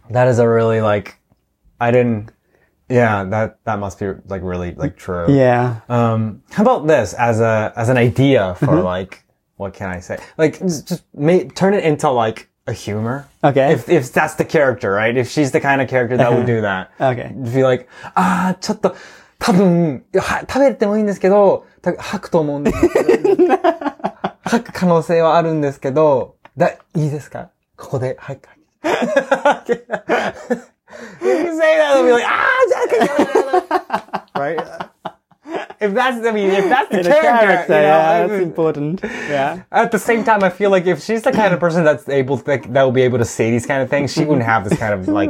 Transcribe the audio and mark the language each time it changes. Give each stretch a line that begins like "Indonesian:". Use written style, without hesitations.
English: That is a really, like, I didn't... Yeah, that must be like really like true. Yeah. How about this as an idea for like what can I say? Like turn it into like a humor. Okay. If that's the character, right? If she's the kind of character that would do that. Okay. Be like, ah,
Japanese: ちょっと多分食べてもいいんですけど、吐くと思うんです。吐く可能性はあるんですけど、だいいですか？ここで吐く。
English: You can say that, they'll be like, ah, Jack! right? If that's the character, you know, that's important. Yeah. At the same time, I feel like if she's the kind of person that's able to, like, that will be able to say these kind of things, she wouldn't have this kind of, like,